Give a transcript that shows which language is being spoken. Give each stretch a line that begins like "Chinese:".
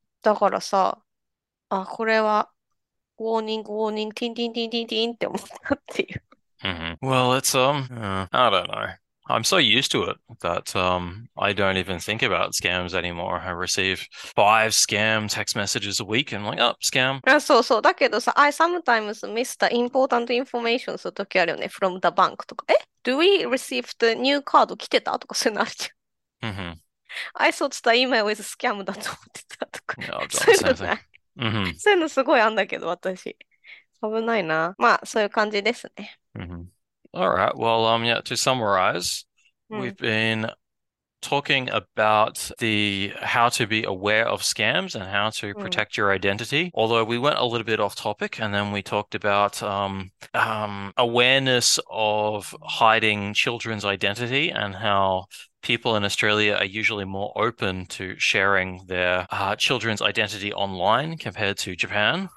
Japanese: だからさ、あ、これは、ウォーニング、ティンティンティンティンティンって思ったっていう。
English: Well, it's, I don't know. I'm so used to it that I don't even think about scams anymore. I receive 5 scam text messages a week and I'm like, oh, scam.
Japanese: あ、そうそう。だけどさ、
English: I sometimes miss the important information
Japanese: するときあるよね。
English: from the bank
Japanese: とか。
English: え ?Do we receive the new card
Japanese: 来てた? とかそういうのあるじゃん。
English: I thought the email was scam
Japanese: だと思ってたとか。
English: Yeah, I've
Japanese: そ
English: done the
Japanese: ういうない。そういうのすごいあんだけど、私。危ないな。まあ、そういう感じですね。
English: All right. Well, yeah, to summarize, we've been talking about the how to be aware of scams and how to protect your identity. Although we went a little bit off topic and then we talked about awareness of hiding children's identity and how people in Australia are usually more open to sharing their children's identity online compared to Japan.